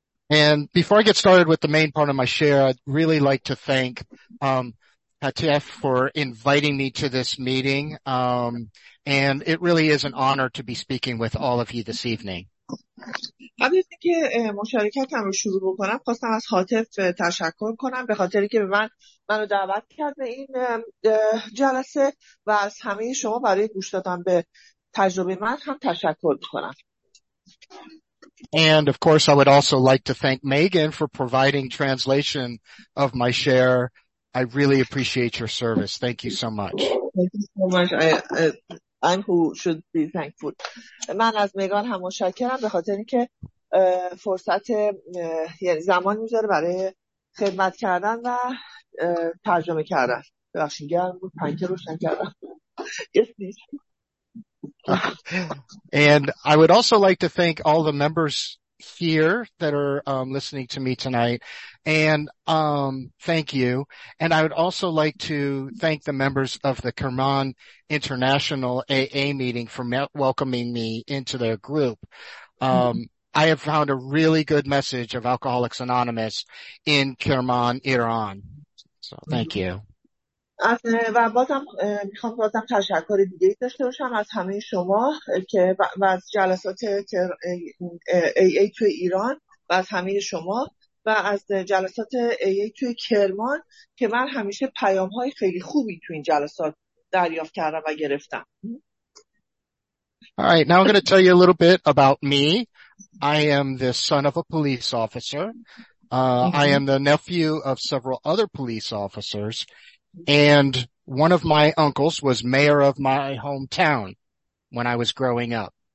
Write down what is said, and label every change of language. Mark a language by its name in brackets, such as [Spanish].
[English] And before I get started with the main part of my share, I'd really like to thank Hatef for inviting me to this meeting. And it really is an honor to be speaking with all of you this evening. [Persian] قبل از اینکه مشارکتم رو شروع بکنم، خواستم از هاتف تشکر کنم به خاطر اینکه منو دعوت کرد به این جلسه و از همه شما برای گوش دادن به تجربه من هم تشکر می‌کنم. [English] And of course I would also like to thank Megan for providing translation of my share. I really appreciate your service. Thank you so much. Thank you so much. I'm who should be thankful. [Persian] من از میگان هم متشکرم به خاطر اینکه فرصت یعنی زمان می‌ذاره برای خدمت کردن و ترجمه کردن. ببخشید گرم بود، پنکه روشن کردم. [English] Yes, please. And I would also like to thank all the members here that are listening to me tonight and thank you. And I would also like to thank the members of the Kerman International AA meeting for welcoming me into their group. I have found a really good message of Alcoholics Anonymous in Kerman, Iran. So thank you. [Persian] و بازم میخوام بازم تشکر دیگه ای داشته باشم از همه شما که و از جلسات AA توی ایران و از همه شما و از جلسات AA توی کرمان که من همیشه پیام های خیلی خوبی توی این جلسات دریافت کردم و گرفتم. [English] Alright, now I'm going to tell you a little bit about me. I am the son of a police officer. I am the nephew of several other police officers. And one of my uncles was mayor of my hometown when I was growing up.